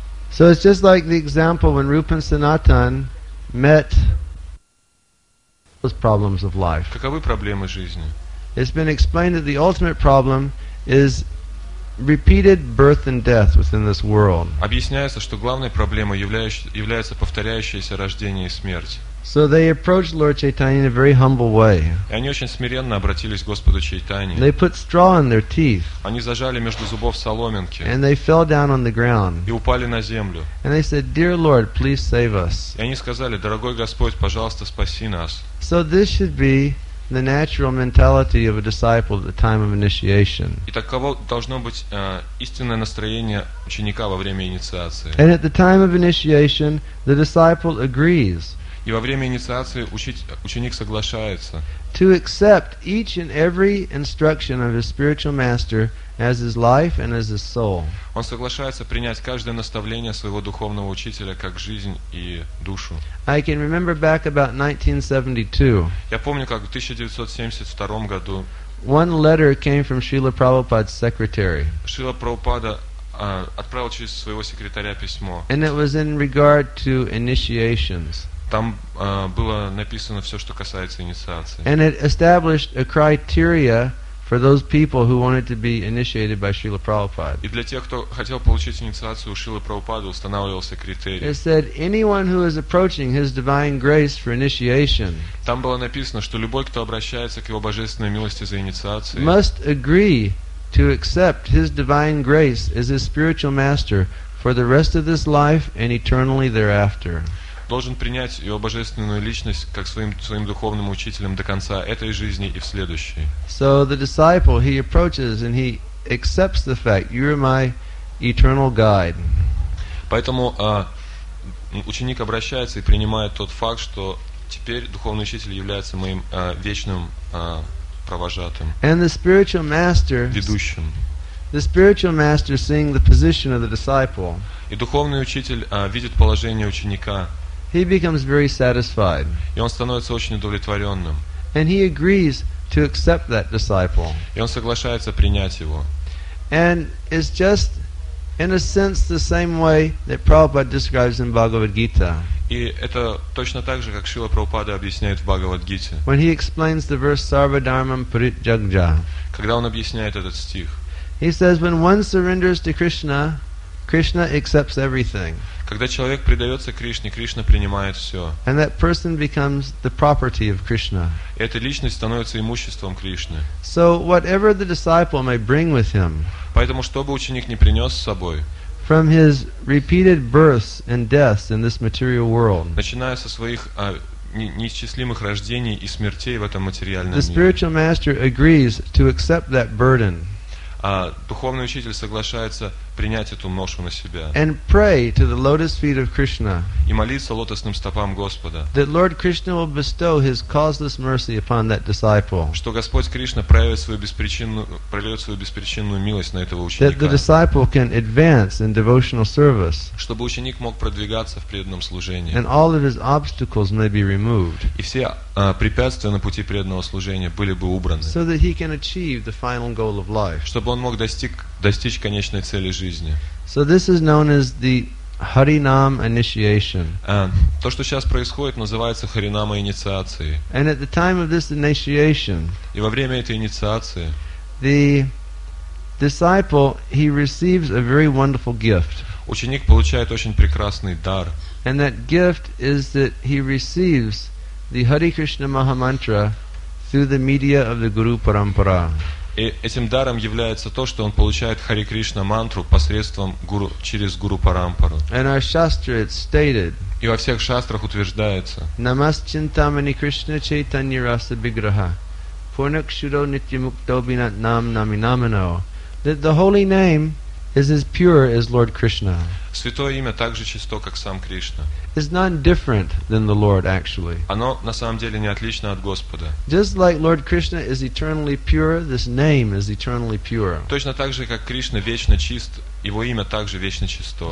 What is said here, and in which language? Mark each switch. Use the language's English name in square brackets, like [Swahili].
[English] So it's just like the example when Rupa and Sanatan met those problems of life. [Russian] Каковы проблемы жизни? [English] It's been explained that the ultimate problem is repeated birth and death within this world. [Russian] Объясняется, что главной проблемой является повторяющееся рождение и смерть. [English] So they approached Lord Chaitanya in a very humble way. [Russian] И они очень смиренно обратились к Господу Чайтанье. [English] They put straw in their teeth. [Russian] Они зажали между зубов соломинки. [English] And they fell down on the ground. [Russian] И упали на землю. [English] And they said, "Dear Lord, please save us." [Russian] И они сказали: "Дорогой Господь, пожалуйста, спаси нас." [English] So this should be the natural mentality of a disciple at the time of initiation. [Russian] И таково должно быть истинное настроение ученика во время инициации. [English] And at the time of initiation, the disciple agrees. [Russian] И во время инициации ученик соглашается. [English] To accept each and every instruction of his spiritual master as his life and as his soul. [Russian] Он соглашается принять каждое наставление своего духовного учителя как жизнь и душу. [English] I can remember back about 1972. [Russian] Я помню, как в 1972 году. [English] One letter came from Srila Prabhupada's secretary. [Russian] Srila Prabhupada отправил через своего секретаря письмо. [English] And it was in regard to initiations. [Russian] Там было написано все, что касается инициации. [English] And it established a criteria for those people who wanted to be initiated by Srila Prabhupada. [Russian] И для тех, кто хотел получить инициацию у Шрилы Прабхупады, устанавливался критерий. [English] It said anyone who is approaching His divine grace for initiation. [Russian] Там было написано, что любой, кто обращается к Его божественной милости за инициацией, [English] must agree to accept His divine grace as His spiritual master for the rest of this life and eternally thereafter. [Russian] Должен принять его божественную личность как своим духовным учителем до конца этой жизни и в следующей. [English] So the disciple, he approaches and he accepts the fact, you are my eternal guide. [Russian] Поэтому ученик обращается и принимает тот факт, что теперь духовный учитель является моим вечным провожатым, [English] and the spiritual master, [Russian] ведущим. [English] The spiritual master seeing the position of the disciple. [Russian] И духовный учитель видит положение ученика. [English] He becomes very satisfied. [Russian] И он становится очень удовлетворенным. [English] And he agrees to accept that disciple. [Russian] И он соглашается принять его. [English] And it's just, in a sense, the same way that Prabhupada describes in Bhagavad Gita. [Russian] И это точно так же, как Шрила Прабхупада объясняет в Бхагавад Гите. [English] When he explains the verse [Sanskrit] Sarva Dharmam Parityajya. [Russian] Когда он объясняет этот стих. [English] He says, when one surrenders to Krishna, Krishna accepts everything. [Russian] Когда человек предается Кришне, Кришна принимает все. [English] And that person becomes the property of Krishna. [Russian] Эта личность становится имуществом Кришны. [English] So whatever the disciple may bring with him. [Russian] Поэтому что бы ученик ни принес с собой. [English] From his repeated births and deaths in this material world. [Russian] Начиная со своих неисчислимых рождений и смертей в этом материальном мире. [English] The spiritual master agrees to accept that burden. [Russian] А духовный учитель соглашается принять эту ношу на себя. [English] And pray to the lotus feet of Krishna. [Russian] И молиться лотосным стопам Господа. [English] That Lord Krishna will bestow His causeless mercy upon that disciple. [Russian] Что Господь Кришна проявит свою беспричинную, прольет свою беспричинную милость на этого ученика. [English] That the disciple can advance in devotional service. [Russian] Чтобы ученик мог продвигаться в преданном служении. [English] And all of his obstacles may be removed. [Russian] И все препятствия на пути преданного служения были бы убраны. [English] So that he can achieve the final goal of life. [Russian] Чтобы он мог достичь конечной цели жизни. [English] So this is known as the Harinam initiation. [Russian] То, что сейчас происходит, называется Харинама инициацией. [English] And at the time of this initiation, [Russian] и во время этой инициации, [English] the disciple, he receives a very wonderful gift. [Russian] Ученик получает очень прекрасный дар. [English] And that gift is that he receives the Hare Krishna Mahamantra through the media of the Guru Parampara. [Russian] И этим даром является то, что он получает Хари Кришна мантру посредством гуру, через Гуру Парампару. [English] And our shastra it's stated. [Russian] И во всех шастрах утверждается. [Sanskrit] Намас чинтамани Кришна чайтанья раса биграха. Пурнакшуро нитьямукто бинат нам нами намино. [English] That the holy name is as pure as Lord Krishna. [Russian] Святое имя так же чисто, как сам Кришна. [English] It's not different than the Lord, actually. [Russian] Оно на самом деле не отлично от Господа. [English] Just like Lord Krishna is eternally pure, this name is eternally pure. [Russian] Точно так же, как Кришна вечно чист, его имя также вечно чисто.